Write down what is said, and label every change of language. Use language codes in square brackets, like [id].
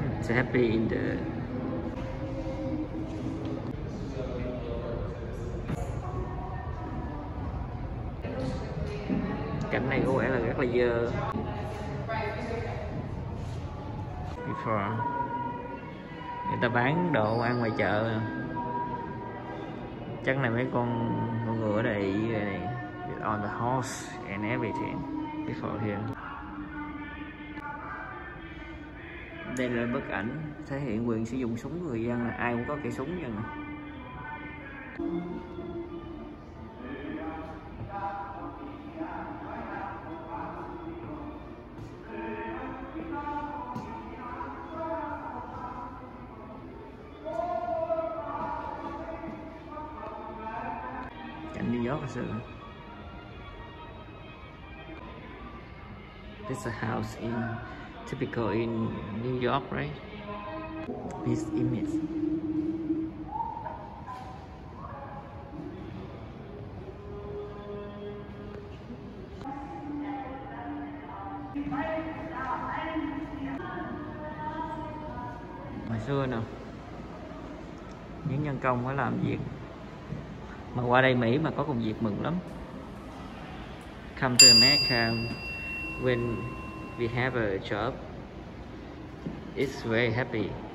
[en] Happy in the [vi] cảnh này có vẻ là rất là dơ. Before người ta bán đồ ăn ngoài chợ, chắc là mấy con ngựa ở đây này. [en] With on the horse and everything before here. [vi] Đây là bức ảnh thể hiện quyền sử dụng súng của người dân, là ai cũng có cây súng vậy nè. Cảnh New York thật sự. [en] This is a house in typical in New York, right? This image. [vi] Hồi xưa nè, những nhân công có làm việc mà qua đây Mỹ mà có công việc mừng lắm. [en] Come to America when we have a job, it's very happy.